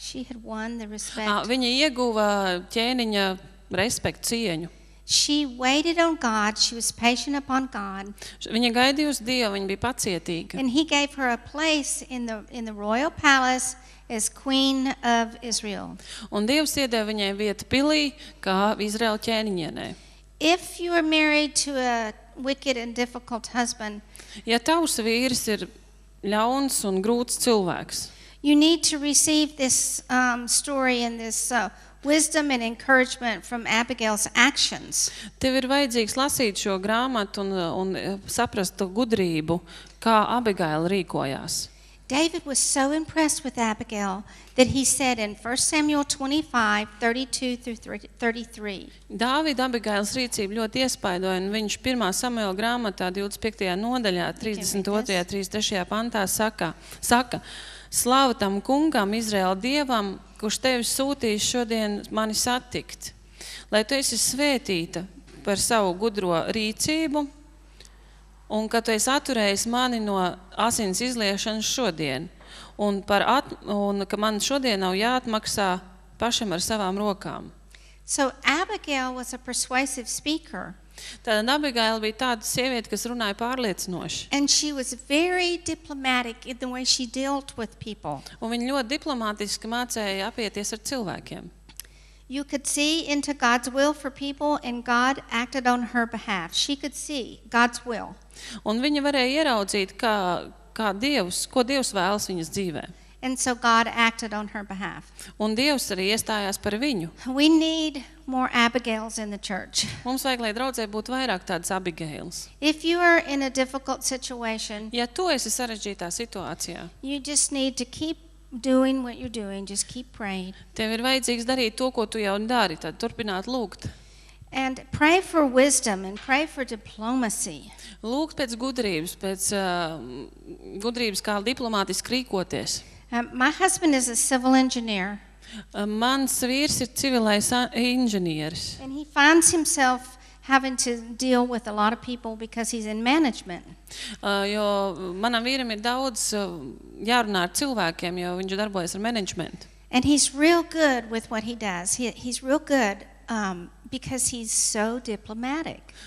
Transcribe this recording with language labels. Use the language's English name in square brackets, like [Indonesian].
[Latvian] Viņa ieguva ķēniņa respektu, cieņu. [English] She waited on God, she was patient upon God. [Latvian] Viņa gaidīja uz Dievu, viņa bija pacietīga. [English] And he gave her a place in the royal palace as queen of Israel. [Latvian] Un Dievs iedeva viņai vietu pilī, kā Izraela ķēniņienē. [English] If you are married to a wicked and difficult husband, [Latvian] ja tavs vīrs ir ļauns un grūts cilvēks, [English] you need to receive this story and this wisdom and encouragement from Abigail's actions. [Latvian] Tev ir vajadzīgs lasīt šo grāmatu un saprast to gudrību, kā Abigail rīkojās. [English] David was so impressed with Abigail that he said in 1 Samuel 25:32-33. [Latvian] Dāvida Abigails rīcība ļoti iespaidoja, un viņš 1. Samuela grāmatā 25. Nodaļā 32. 33. Pantā saka: Slāva tam kungam, Izraela dievam, kurš tevi sūtīs šodien mani satikt, lai tu esi svētīta par savu gudro rīcību un ka tu esi atturējis mani no asins izliešanas šodien un ka man šodien nav jāatmaksā pašam ar savām rokām. [English] So Abigail was a persuasive speaker. [Latvian] Tātad Abigail bija tāda sieviete, kas runāja pārliecinoši. [English] And she was very diplomatic in the way she dealt with people. [Latvian] Un viņa ļoti diplomātiski mācēja apieties ar cilvēkiem. [English] You could see into God's will for people and God acted on her behalf. She could see God's will. [Latvian] Un viņa varēja ieraudzīt, kā Dievs, ko Dievs vēlas viņas dzīvē. [English] And so God acted on her behalf. [Latvian] Un Dievs arī iestājās par viņu. [English] We need more Abigails in the church. [Latvian] Mums vajag, lai draudzē būtu vairāk tādas Abigails. [English] If you are in a difficult situation, [Latvian] ja tu esi sarežģītā situācijā, [English] you just need to keep doing what you're doing, just keep praying. [Latvian] Tev ir vajadzīgs darīt to, ko tu jau dari, tad turpināt lūgt. [English] And pray for wisdom and pray for diplomacy. [Latvian] Lūgt pēc gudrības, pēc gudrības, kā diplomātiski rīkoties. [English] My husband is a civil engineer. [Latvian] Mans vīrs ir civilais inženieris. [English] And he finds himself having to deal with a lot of people because he's in management. [Latvian] Jo manam vīram ir daudz jārunā ar cilvēkiem, jo viņš darbojas ar managementu. [English] And he's real good with what he does. He's real good because he's so diplomatic.